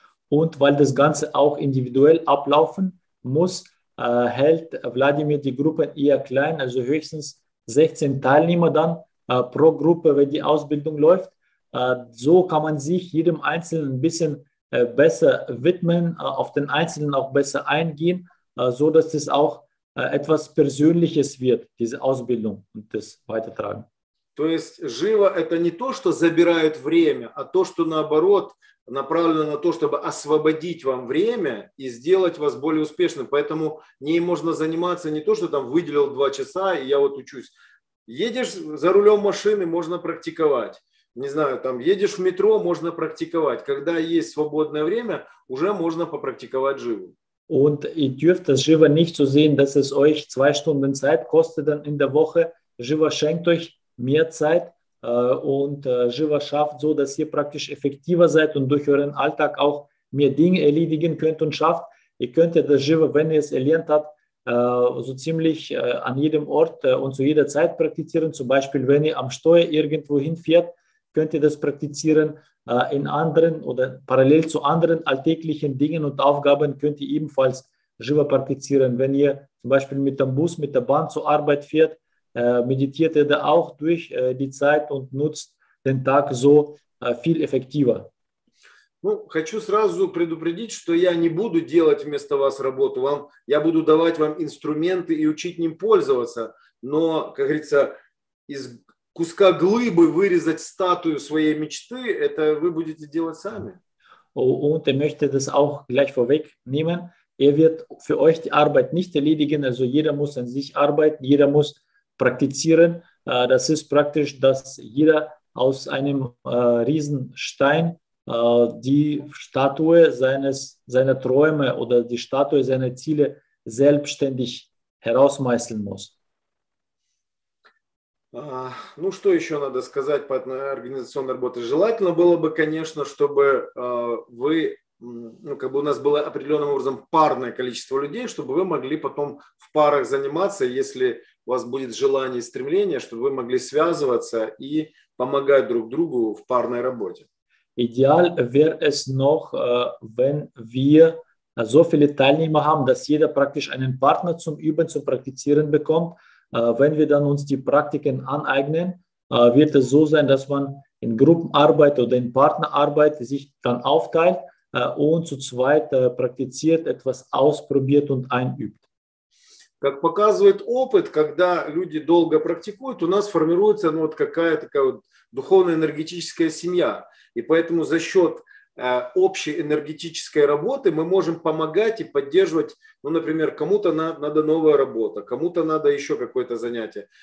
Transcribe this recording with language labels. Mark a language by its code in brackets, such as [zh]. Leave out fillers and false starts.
[de] Und weil das Ganze auch individuell ablaufen muss, hält Wladimir die Gruppe eher klein, also höchstens 16 Teilnehmer dann pro Gruppe, wenn die Ausbildung läuft. So kann man sich jedem Einzelnen ein bisschen besser widmen, auf den Einzelnen auch besser eingehen, so dass es auch etwas Persönliches wird, diese Ausbildung und das Weitertragen. [ru] То есть живо – это не то, что забирает время, а то, что наоборот направлено на то, чтобы освободить вам время и сделать вас более успешным. Поэтому ней можно заниматься не то, что там выделил 2 часа, и я вот учусь. Едешь за рулем машины – можно практиковать. Не знаю, там едешь в метро – можно практиковать. Когда есть свободное время, уже можно попрактиковать живо. [de] Und ihr dürft das живо nicht so sehen, dass es euch 2 Stunden Zeit kostet dann in der Woche. Живо schenkt euch mehr Zeit und Jiva schafft so, dass ihr praktisch effektiver seid und durch euren Alltag auch mehr Dinge erledigen könnt und schafft. Ihr könnt ja das Jiva, wenn ihr es erlernt habt, so ziemlich an jedem Ort und zu jeder Zeit praktizieren. Zum Beispiel, wenn ihr am Steuer irgendwo hinfährt, könnt ihr das praktizieren in anderen oder parallel zu anderen alltäglichen Dingen und Aufgaben könnt ihr ebenfalls Jiva praktizieren. Wenn ihr zum Beispiel mit dem Bus, mit der Bahn zur Arbeit fährt, meditiert er da auch durch die Zeit und nutzt den Tag so viel effektiver. [ru] Ну, хочу сразу предупредить, что я не буду делать вместо вас работу. Вам, я буду давать вам инструменты и учить ним пользоваться. Но, как говорится, из куска глыбы вырезать статую своей мечты, это вы будете делать сами. [de] Und er möchte das auch gleich vorwegnehmen. Er wird für euch die Arbeit nicht erledigen. Also jeder muss an sich arbeiten. Jeder muss praktizieren, das ist praktisch, dass jeder aus einem Riesenstein die Statue seiner Träume oder die Statue seiner Ziele selbstständig herausmeißeln muss. [ru] Ну что еще надо сказать по организационной работе? Желательно было бы, конечно, чтобы вы, ну как бы у нас было определенным образом парное количество людей, чтобы вы могли потом в парах заниматься, если у вас будет желание и стремление, чтобы вы могли связываться и помогать друг другу в парной работе. [de] Идеал wäre es noch, wenn wir so viele Teilnehmer haben, dass jeder praktisch einen Partner zum Üben, zum Praktizieren bekommt. Wenn wir dann uns die Praktiken aneignen, wird es so sein, dass man in Gruppenarbeit oder in Partnerarbeit sich dann aufteilt und zu zweit praktiziert, etwas ausprobiert und einübt. [ru] Как показывает опыт, когда люди долго практикуют, у нас формируется ну, вот какая-то такая вот духовно-энергетическая семья. И поэтому за счет общей энергетической работы мы можем помогать и поддерживать, ну, например, кому-то надо новая работа, кому-то надо еще какое-то занятие.